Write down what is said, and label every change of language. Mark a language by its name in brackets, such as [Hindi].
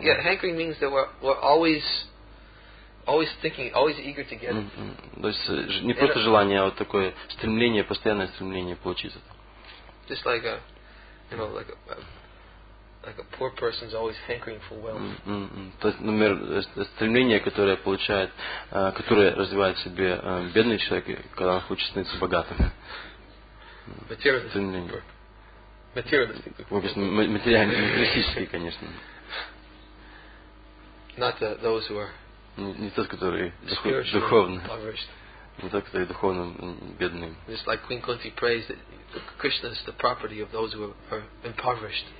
[English] Hankering means that we're always thinking, always eager to get it. [Russian] То есть не просто желание, а вот такое стремление, постоянное стремление получить это. [English] Just like a like a poor person is always hankering for wealth. [Russian] То есть, например, стремление, которое получает, которое развивает в себе бедный человек, когда он хочет становиться богатым. Материалистические, конечно. [English] Not the, those who are [Russian] не тот, который духовный. Не тот, который духовно бедный. [English] Just like Queen Kunti prays that Krishna is the property of those who are impoverished.